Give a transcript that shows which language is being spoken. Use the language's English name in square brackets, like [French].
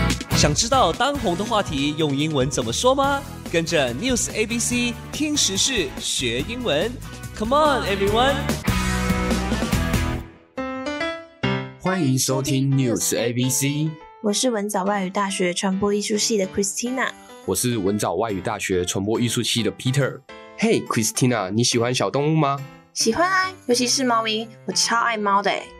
[Chinese] 想知道当红的话题用英文怎么说吗？跟着 News ABC 听时事学英文 ， [English] Come on everyone！ [Chinese] 欢迎收听 News ABC，我是文藻外语大学传播艺术系的 Christina，我是文藻外语大学传播艺术系的 Peter。 [English] Hey Christina， [Chinese] 你喜欢小动物吗？喜欢啊，尤其是猫咪，我超爱猫的。